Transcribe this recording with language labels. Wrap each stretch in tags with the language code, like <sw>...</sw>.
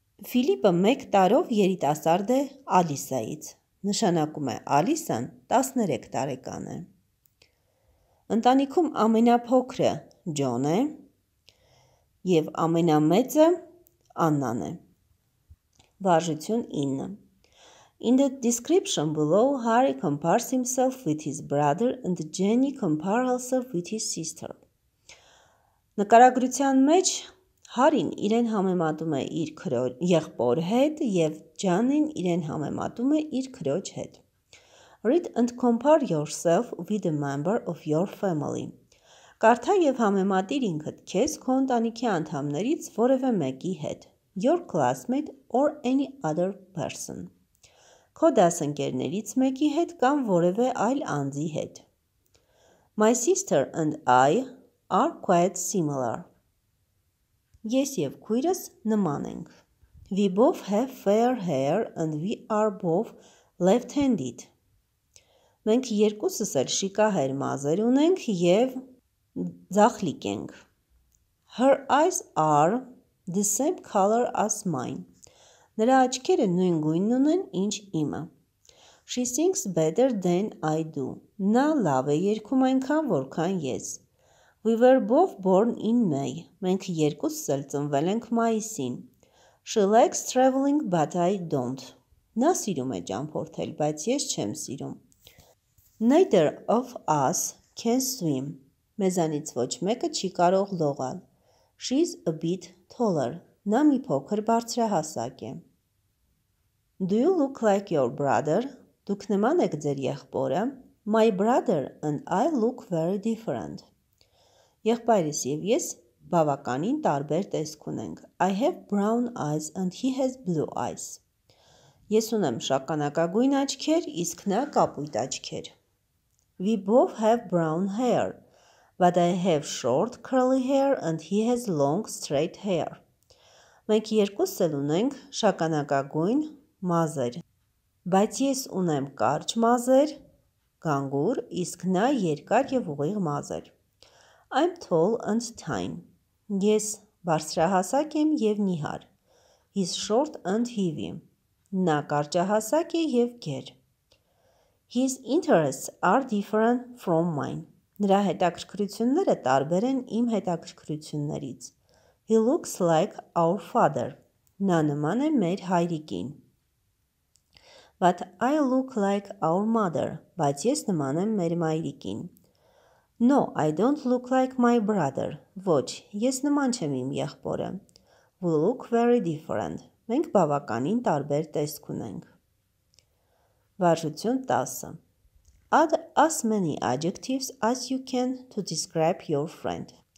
<hy>Ֆիլիպը 1 տարով երիտասարդ է Ալիսայից, նշանակում է Ալիսան 13 տարեկան է. Ընտանիքում ամենափոքրը Ջոն է և ամենամեծը Աննան է. Վարժություն 9.</hy> <en>In the description below, Harry compares himself with his brother and Jenny compares herself with his sister.</en> <hy>Նկարագրության մեջ Հարին իրեն համեմատում է իր եղբոր հետ և Ջանին իրեն համեմատում է իր քրոջ հետ.</hy> <en>Read and compare yourself with a member of your family.</en> <hy>Կարդա և համեմատիր ինքդ քեզ քո ընտանիքի անդամներից որևէ մեկի հետ.</hy> <en>Your classmate or any other person.</en> <hy>Քո դասընկերներից մեկի հետ կամ որևէ այլ անձի հետ.</hy> <en>My sister and I are quite similar.</en> <hy>Ես և քույրս նման ենք.</hy> <en>We both have fair hair and we are both left-handed.</en> <hy>Մենք երկուսս էլ շիկահեր մազեր ունենք և ձախլիկ ենք.</hy> <en>Her eyes are the same color as mine.</en> <hy>Նրա աչքերը նույն գույնն ունեն, ինչ իմը.</hy> <en>She sings better than I do.</en> <hy>Նա լավ է երգում այնքան, որքան ես.</hy> <en>We were both born in May.</en> <hy>Մենք երկուսս էլ ծնվել ենք մայիսին.</hy> <en>She likes traveling, but I don't.</en> <hy>Նա սիրում է ճամփորդել, բայց ես չեմ սիրում.</hy> <en>Neither of us can swim.</en> <hy>Մեզանից ոչ մեկը չի կարող լողալ.</hy> <en>She's a bit taller.</en> <hy>Նա մի փոքր բարձրահասակ է.</hy> <en>Do you look like your brother?</en> <hy>Դուք նման եք ձեր եղբորը.</hy> <en>My brother and I look very different.</en> <hy>Եղբայրս և ես բավականին տարբեր տեսք ունենք.</hy> <en>I have brown eyes and he has blue eyes.</en> <hy>Ես ունեմ շականակագույն աչքեր, իսկ նա կապույտ աչքեր.</hy> <en>We both have brown hair. But I have short curly hair and he has long straight hair.</en> <hy>Մենք երկուսս էլ ունենք շագանակագույն մազեր։ Բայց ես ունեմ կարճ մազեր, գանգուր, իսկ նա երկար եւ ուղիղ մազեր։</hy> <en>I'm tall and thin.</en> <hy>Ես բարձրահասակ եմ եւ նիհար։</hy> <en>He's short and heavy.</en> <hy>Նա կարճահասակ է եւ գեր։</hy> <en>His interests are different from mine.</en> <hy>Նրա հետաքրքրությունները տարբեր են իմ հետաքրքրություններից։</hy> <en>He looks like our father.</en> <hy>Նա նման է մեր հայրիկին։</hy> <en>But I look like our mother.</en> <hy>Բայց ես նման եմ մեր մայրիկին։</hy> <en>No, I don't look like my brother.</en> <hy>Ոչ, ես նման չեմ իմ եղբորը։</hy> <en>We look very different.</en> <hy>Մենք բավականին տարբեր տեսք ունենք։ Վարժություն 10.</hy> <en>Add as many adjectives as you can to describe your friend.</en>